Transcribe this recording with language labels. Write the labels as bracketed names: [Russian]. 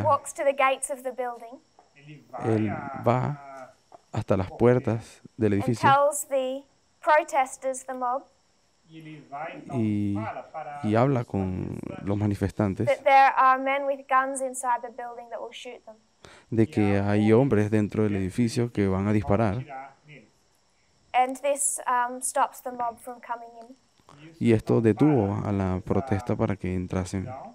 [English] he walks to the gates of the building. [Spanish] Él va hasta las puertas del edificio [English] and tells the protesters, the mob, [Spanish] y habla con los manifestantes [English] that there are men with guns inside the building that will shoot them. [Spanish] De que hay hombres dentro del edificio que van a disparar. [English] And this stops the mob from coming in. [Spanish] Y esto detuvo a la protesta para que entrasen.